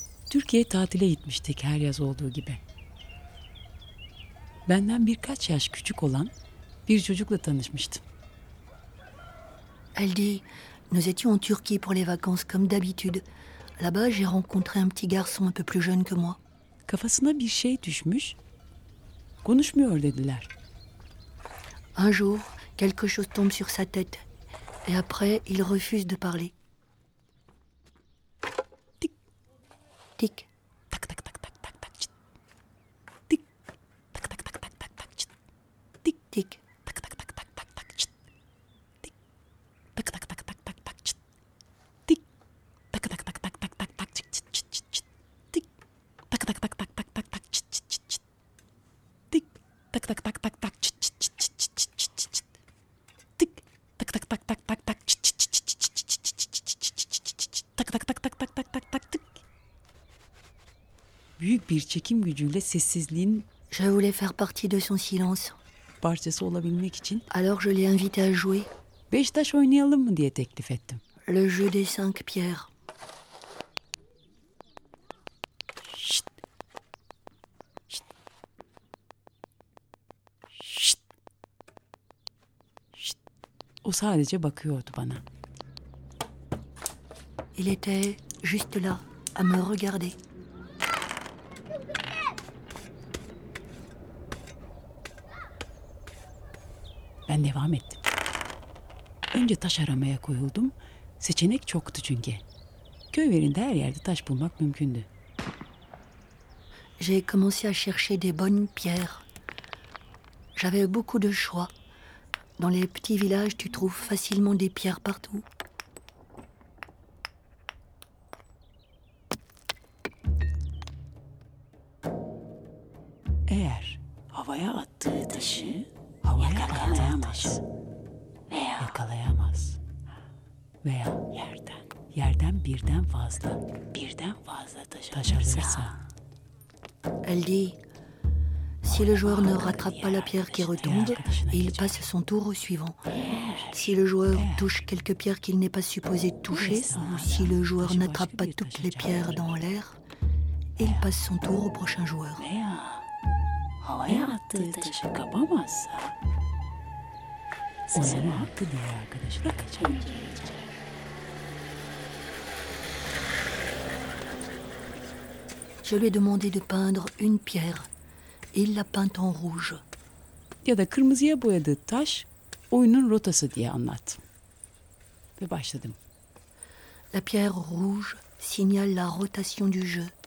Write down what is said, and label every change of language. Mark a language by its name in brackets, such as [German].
[Turkish] Türkiye tatile gitmiştik her yaz olduğu gibi. Benden birkaç yaş küçük olan bir çocukla tanışmıştım. [French] Elle dit, nous étions en Turquie pour les vacances comme d'habitude. Là-bas, j'ai rencontré un petit garçon un peu plus jeune que moi. [Turkish] Kafasına bir şey düşmüş. Konuşmuyor dediler. [French] Un jour, quelque chose tombe sur sa tête et après, il refuse de parler. Tik. Tak tak tak tak tak tak. Tik. Tak tak tak tak tak tak. Tik tik. Tak tak tak tak tak tak. Tik. Tak tak tak tak tak tak. Tik. Tak tak tak tak tak tak tak. Tik. Tak tak tak tak tak tak. Tik. Tak tak tak tak tak. Tik. Tak tak tak tak tak. Tak tak tak tak tak tak tak tak tak tak. [Turkish] Büyük bir çekim gücüyle sessizliğin [French] je voulais faire partie de son silence. [Turkish] Parçası olabilmek için [French] alors je l'ai invité à jouer. [Turkish] Beş taş oynayalım mı diye teklif ettim. [French] Le jeu des cinq pierres. Şşt. Şşt. Şşt. Şşt. [Turkish] O sadece bakıyordu bana. [French] Il était juste là à me regarder. [Turkish] Ben devam ettim. Önce taş aramaya koyuldum. Seçenek çoktu çünkü. Köylerinde her yerde taş bulmak mümkündü. [French] J'ai commencé à chercher des bonnes pierres. J'avais beaucoup de choix. Dans les petits villages, tu trouves facilement des pierres partout. [Turkish] Eğer havaya attığı taşı yakalayamaz. Veya. Yakalayamaz. Veya. Yerden. Yerden birden fazla. Birden fazla taş alırsa. [French] Elle dit, si le joueur ne rattrape pas la pierre qui retombe, il passe son tour au suivant. Si le joueur touche quelques pierres qu'il n'est pas supposé toucher, ou si le joueur n'attrape pas toutes les pierres dans l'air, il passe son tour au prochain joueur. [Turkish] Havaya attığı taşı kapamazsa onun hakkı diğer arkadaşına kaçamayacak. [French] Je lui ai demandé de peindre une pierre. Il l'a peinte en rouge. [Turkish] Ya da kırmızıya boyadığı taş oyunun rotası diye anlat. Ve başladım. [French] La pierre rouge signale la rotation du jeu.